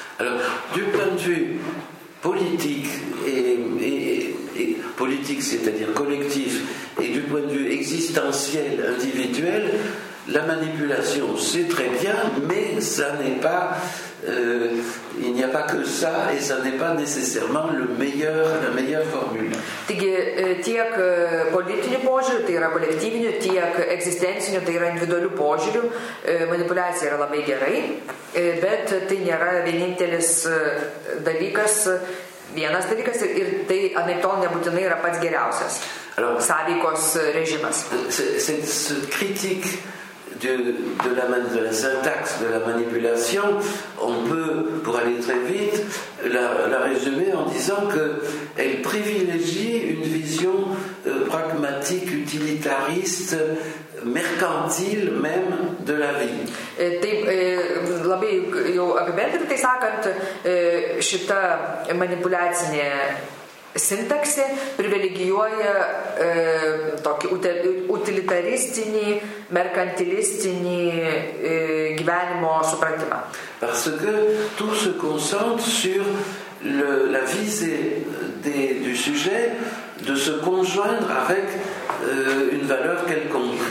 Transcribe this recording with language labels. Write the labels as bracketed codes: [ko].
[fr] Du point de vue politique, politique, c'est-à-dire collectif, et du point de vue existentiel, individuel, la manipulation, c'est très bien, mais ça n'est pas... il n'y a pas que ça et ça n'est pas nécessairement la meilleure formule. [lt] Taigi, tiek politinių požiūrių, tai yra kolektyvinių, tiek egzistencinių, tai yra individualių požiūrių, manipuliacija yra labai gerai, bet tai nėra vienintelis dalykas, vienas dalykas ir tai anaiptol nebūtinai yra pats geriausias sąveikos režimas. [fr] C'est critique de la syntaxe de la manipulation, on peut, pour aller très vite, la résumer en disant qu'elle privilégie une vision pragmatique, utilitariste, mercantile même de la vie. [lt] Taip, labai jau apibendrintai sakant, šita manipuliacinė sintaksė privilegijuoja tokį utilitaristinį, mercantilistinį gyvenimo supratimą. [fr] Parce que tout se concentre sur la visée du sujet de se conjoindre avec une valeur quelconque.